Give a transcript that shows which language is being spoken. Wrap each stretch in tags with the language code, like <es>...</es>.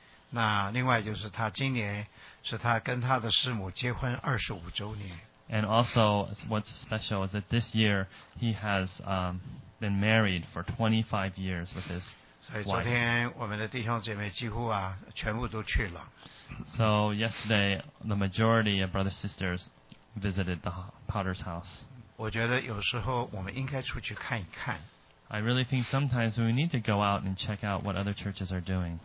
<zh>那另外就是他今年是他跟他的师母结婚25周年。</zh> <en>And also, what's special is that this year he has been married for 25 years with his wife.</en> <zh>昨天我们的弟兄姐妹几乎全部都去了。</zh> <en>So yesterday, the majority of brothers and sisters visited the Potter's house.</en> <zh>我觉得有时候我们应该出去看一看。</zh> <en>I really think sometimes we need to go out and check out what other churches are doing.</en>